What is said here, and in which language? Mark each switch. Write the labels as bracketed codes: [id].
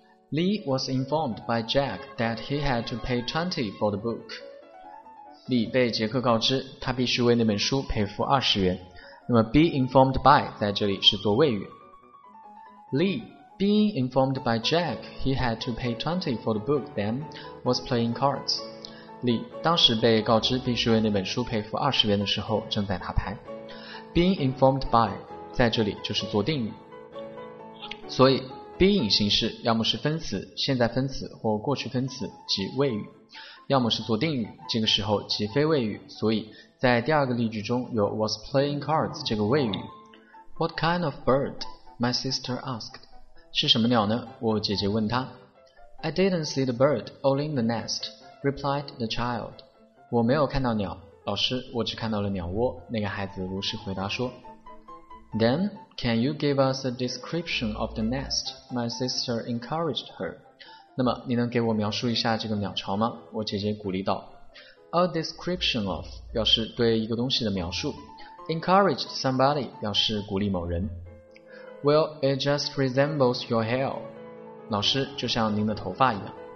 [en] Lee was informed by Jack that he had to pay 20 for the book. [zh] Lee 被杰克告知他必须为那本书赔付20元。那么 [en] be informed by [zh] 在这里是做谓语。 [en] Lee Being informed by Jack, he had to pay 20 for the book, then, was playing cards. [zh] Lee, 当时被告知必须为那本书赔付20元的时候正在打牌。 [en] Being informed by, [zh] 在这里就是做定语。所以 being 形式要么是分词、现在分词或过去分词即谓语，要么是做定语，这个时候即非谓语，所以在第二个例句中有 [en] was playing cards [zh] 这个谓语。 [en] What kind of bird? My sister asked. [zh] 是什么鸟呢？我姐姐问她。 [en] I didn't see the bird, only the nest, replied the child. [zh] 我没有看到鸟，老师，我只看到了鸟窝，那个孩子如实回答说。 [en] Then, can you give us a description of the nest? My sister encouraged her. [zh] 那么，你能给我描述一下这个鸟巢吗？我姐姐鼓励道。 [en] A description of [zh] 表示对一个东西的描述。 [en] Encouraged somebody [zh] 表示鼓励某人。 [en] Well, it just resembles your hair. [zh] 老师，就像您的头发一样。